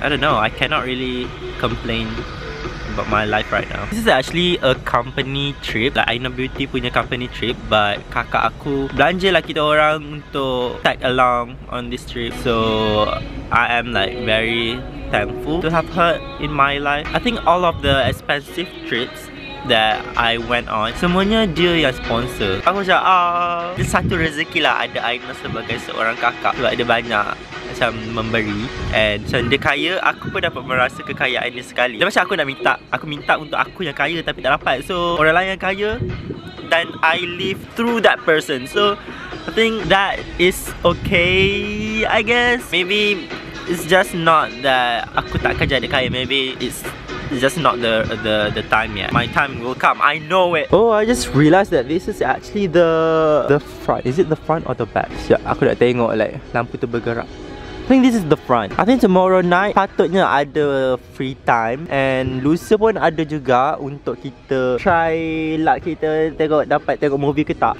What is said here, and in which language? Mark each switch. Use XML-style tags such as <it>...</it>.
<en>I don't know, I cannot really complain about my life right now. This is actually a company trip, like Aina Beauty punya company trip. But</en> <ms>kakak aku belanja lah kita orang untuk</ms> <en>tag along on this trip. So I am like very thankful to have her in my life. I think all of the expensive trips that I went on,</en> <ms>semuanya dia yang sponsor. Aku macam, ini satu rezeki lah ada Aina sebagai seorang kakak. Sebab dia banyak macam memberi.</ms> <en>And</en> <ms>macam dia kaya, aku pun dapat merasa kekayaan dia sekali. Dan macam aku nak minta, aku minta untuk aku yang kaya tapi tak dapat.</ms> <en>So,</en> <ms>orang lain yang kaya,</ms> <en>then I live through that person. So, I think that is okay, I guess. Maybe it's just not that</en> <ms>aku tak kerja dia kaya.</ms> <en>Maybe it's just not the time yet. My time will come, I know it. Oh, I just realized that this is actually the front. Is it the front or the back?</en> <ms>Ya, aku dah tengok</ms> <en>like</en> <ms>lampu tu bergerak.</ms> <en>I think this is the front. I think tomorrow night</en> <ms>patutnya ada</ms> <en>free time.</en> <ms>And Lusa pun ada juga untuk kita</ms> <en>try luck</en> <ms>kita tengok dapat tengok movie ke tak.</ms>